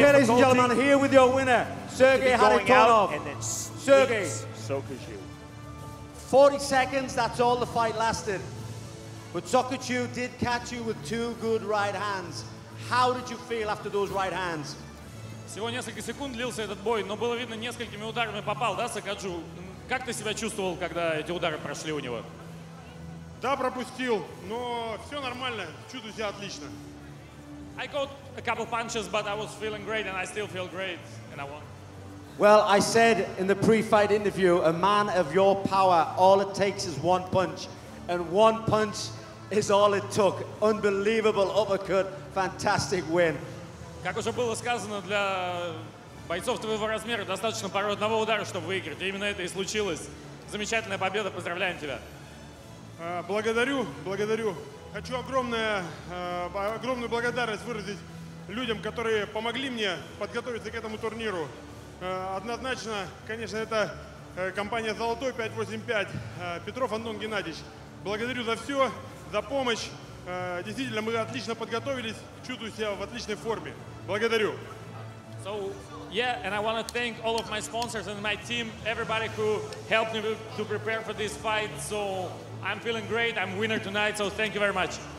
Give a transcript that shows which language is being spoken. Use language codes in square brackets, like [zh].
[en] Okay, ladies and gentlemen, here with your winner, Sergei Kharitonov. Sergei Sokuju. 40 seconds, that's all the fight lasted. But Sokuju did catch you with two good right hands. How did you feel after those right hands? [ru] Всего несколько секунд длился этот бой, но было видно, несколькими ударами попал, да, Сокуджу? Как ты себя чувствовал, когда эти удары прошли у него? Да, пропустил, но все нормально, чувствую себя отлично. [en] I caught a couple punches, but I was feeling great, and I still feel great, and I won. Well, I said in the pre-fight interview, a man of your power, all it takes is one punch, and one punch is all it took. Unbelievable uppercut, fantastic win. [ru] Как уже было сказано, для бойцов твоего размера достаточно пары одного удара, чтобы выиграть. И именно это и случилось. Замечательная победа. Поздравляем тебя. Благодарю, благодарю. Хочу огромную благодарность выразить людям, которые помогли мне подготовиться к этому турниру. Однозначно, конечно, это компания «Золотой 585», Петров Антон Геннадьевич. Благодарю за все, за помощь. Действительно, мы отлично подготовились, чувствую себя в отличной форме. Благодарю. [en] So, yeah, and I want to thank all of my sponsors and my team, everybody who helped me to prepare for this fight. So, I'm feeling great, I'm winner tonight, so thank you very much.